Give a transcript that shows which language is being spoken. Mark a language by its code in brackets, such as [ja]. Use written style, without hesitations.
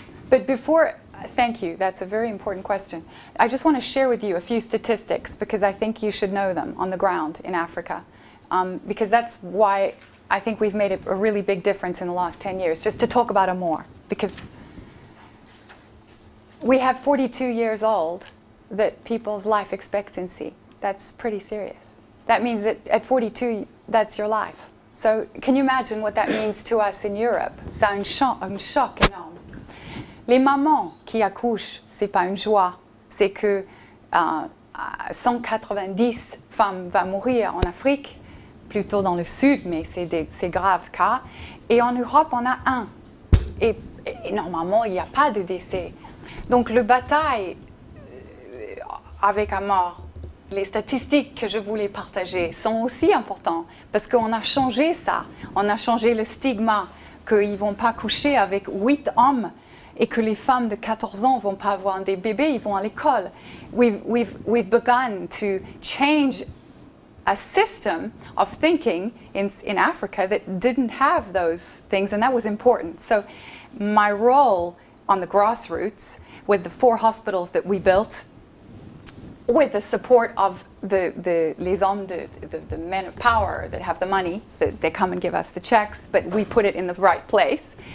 [en] But before, thank you, that's a very important question. I just want to share with you a few statistics, because I think you should know them on the ground in Africa, because that's why I think we've made a really big difference in the last 10 years, just to talk about Amor, because we have 42 years old that people's life expectancy. That's pretty serious. That means that at 42, that's your life. So can you imagine what that means to us in Europe? [fr] C'est un choc énorme. Les mamans qui accouchent, c'est pas une joie, c'est que 190 femmes vont mourir en Afrique, plutôt dans le sud, mais c'est grave cas. Et en Europe, on a un. Et normalement, il n'y a pas de décès. Donc, le bataille avec la mort, les statistiques que je voulais partager sont aussi importantes, parce qu'on a changé ça. On a changé le stigma qu'ils ne vont pas coucher avec 8 hommes et que les femmes de 14 ans ne vont pas avoir des bébés, ils vont à l'école. [en] We've begun to change a system of thinking in Africa that didn't have those things, and that was important. So my role on the grassroots with the four hospitals that we built, with the support of the [fr] les hommes, [en] the men of power that have the money, that they come and give us the checks, but we put it in the right place.